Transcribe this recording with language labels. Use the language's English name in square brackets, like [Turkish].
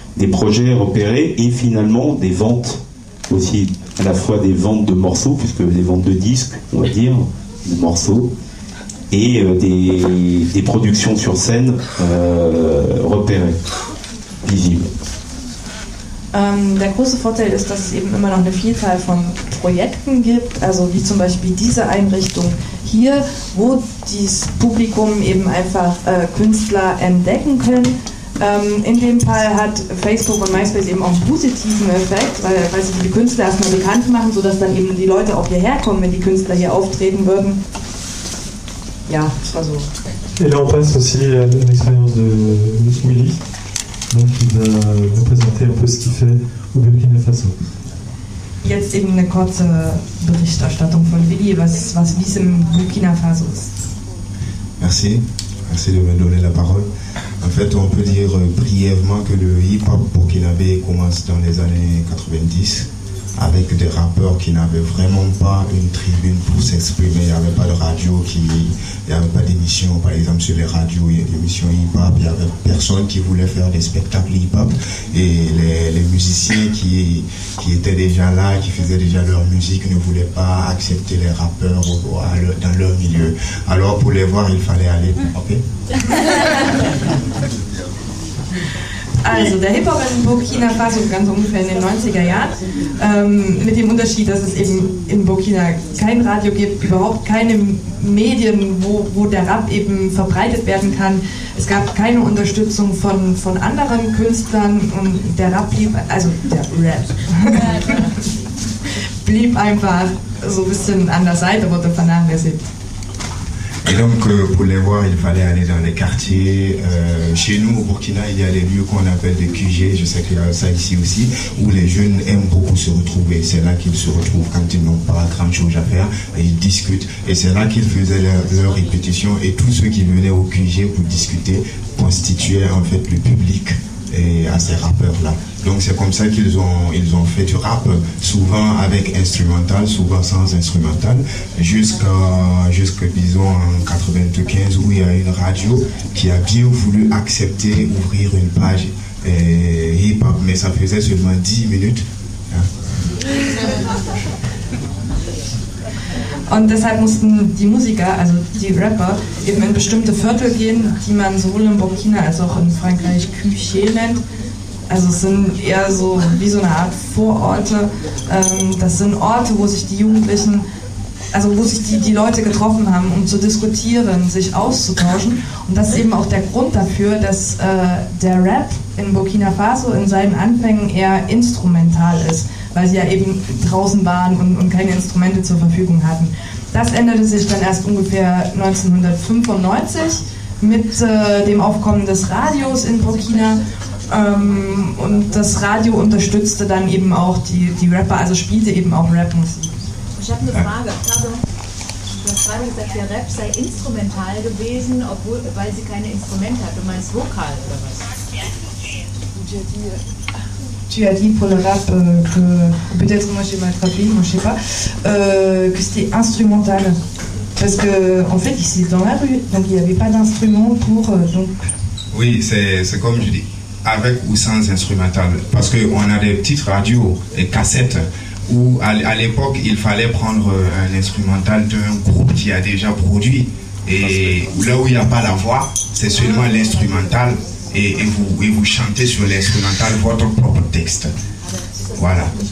[French] projets repérés et finalement des ventes aussi, à la fois des ventes de morceaux, puisque des ventes de disques, on va dire, de morceaux, et des productions sur scène repérées, visibles. [German] Der große Vorteil ist, dass es eben immer noch eine Vielzahl von Projekten gibt, also wie zum Beispiel diese Einrichtung hier, wo das Publikum eben einfach Künstler entdecken können. In dem Fall hat Facebook und MySpace eben auch einen positiven Effekt, weil sie die Künstler erstmal bekannt machen, sodass dann eben die Leute auch hierher kommen, wenn die Künstler hier auftreten würden. Ja, das war so. [French] Et là on passe aussi à l'expérience de Willy. Donc il va vous présenter un peu ce qu'il fait au Burkina Faso. [German] Jetzt eben eine kurze Berichterstattung von Willy, was wie es im Burkina Faso ist. [French] Merci de me donner la parole. En fait, on peut dire brièvement que le hip-hop burkinabé commence dans les années 90 avec des rappeurs qui n'avaient vraiment pas une tribune pour s'exprimer. Il n'y avait pas de radio, il n'y avait pas d'émission. Par exemple, sur les radios, il y a des émissions hip-hop. Il n'y avait personne qui voulait faire des spectacles hip-hop. Et les musiciens qui étaient déjà là, qui faisaient déjà leur musique, ne voulaient pas accepter les rappeurs dans leur milieu. Alors, pour les voir, il fallait aller. Ok. [German] Also, der Hip-Hop in Burkina Faso begann so ungefähr in den 90er Jahren. Mit dem Unterschied, dass es eben in Burkina kein Radio gibt, überhaupt keine Medien, wo der Rap eben verbreitet werden kann. Es gab keine Unterstützung von anderen Künstlern und der Rap blieb, also der Rap, blieb einfach so ein bisschen an der Seite, wurde vernachlässigt. [French] Et donc, pour les voir, il fallait aller dans les quartiers. Chez nous, au Burkina, il y a les lieux qu'on appelle des QG, je sais qu'il y a ça ici aussi, où les jeunes aiment beaucoup se retrouver. C'est là qu'ils se retrouvent quand ils n'ont pas grand chose à faire, et ils discutent. Et c'est là qu'ils faisaient leurs répétitions, et tous ceux qui venaient au QG pour discuter constituaient en fait le public et à ces rappeurs-là. Donc c'est comme ça qu'ils ont fait du rap, souvent avec instrumental, souvent sans instrumental, jusqu'à disons en 95 où il y a une radio qui a bien voulu accepter ouvrir une page hip hop, mais ça faisait seulement 10 minutes. Hein? [German] Und deshalb mussten die Musiker, also die Rapper, eben in bestimmte Viertel gehen, die man sowohl in Burkina als auch in Frankreich Küche nennt. Also es sind eher so wie so eine Art Vororte. Das sind Orte, wo sich die Jugendlichen, also wo sich die Leute getroffen haben, um zu diskutieren, sich auszutauschen. Und das ist eben auch der Grund dafür, dass der Rap in Burkina Faso in seinen Anfängen eher instrumental ist, weil sie ja eben draußen waren und keine Instrumente zur Verfügung hatten. Das änderte sich dann erst ungefähr 1995 mit dem Aufkommen des Radios in Burkina. Und das Radio unterstützte dann eben auch die Rapper, also spielte eben auch Rapmusik. Ich habe eine Frage. Du hast gerade gesagt, der Rap sei instrumental gewesen, obwohl, weil sie keine Instrumente hat. Du meinst Vokal oder was? [French] Tu as dit pour le rap que peut-être moi j'ai mal traduit, moi je sais pas, que c'était instrumental. Parce que en fait, ici dans la rue, donc il n'y avait pas d'instrument pour. Donc... Oui, c'est comme je dis. Avec ou sans instrumental, parce qu'on a des petites radios et cassettes où à l'époque il fallait prendre un instrumental d'un groupe qui a déjà produit, et là où il n'y a pas la voix, c'est seulement l'instrumental, et vous chantez sur l'instrumental votre propre texte. Voilà.